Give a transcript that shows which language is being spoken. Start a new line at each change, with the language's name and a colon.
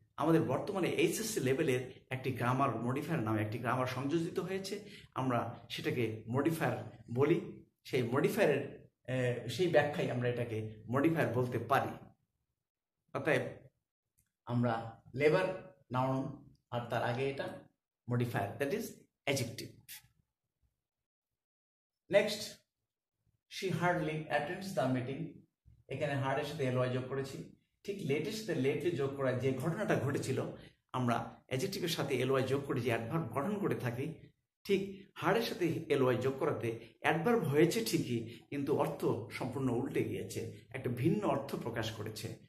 Bangla: আমাদের বর্তমানে এইচএসসি লেভেলের একটি গ্রামার মডিফায়ার নামে একটি গ্রামার সংযোজিত হয়েছে, আমরা সেটাকে মডিফায়ার বলি। সেই মডিফায়ারের সেই ব্যাখ্যায় আমরা এটাকে মডিফায়ার বলতে পারি। অতএব আমরা লেবার নাউন আর তার আগে এটা modifier, that is adjective.
English: Next, she hardly attends the meeting.
Bangla: এখানে হার্ড এর সাথে এলওয়াই যোগ করেছি। ঠিক লেটেস্ট লেটলি যোগ করা যে ঘটনাটা ঘটেছিল, আমরা adjective এর সাথে এলওয়াই যোগ করে যে অ্যাডভার্ব গঠন করে থাকি, ঠিক হার্ড এর সাথে এলওয়াই যোগ করাতে অ্যাডভার্ব হয়েছে ঠিকই, কিন্তু অর্থ সম্পূর্ণ উল্টে গিয়েছে, একটা ভিন্ন অর্থ প্রকাশ করেছে।